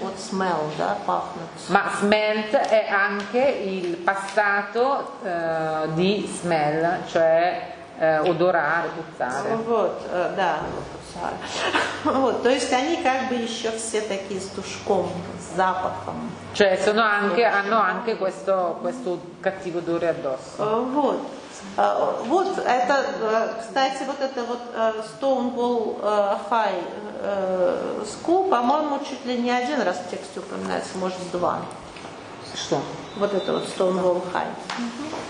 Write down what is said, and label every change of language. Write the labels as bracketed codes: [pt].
[it] Ma smelt è anche il passato di smell, cioè odorare, puzzare. [ru] Вот, то есть они как бы еще все такие с душком, с запахом. [it] Cioè, sono anche, hanno anche questo cattivo odore addosso. [ru] Вот. Вот это, кстати, вот это вот Stonewall High School, по-моему, чуть ли не один раз в тексте упоминается, может, два. Что? Вот это вот Stonewall High.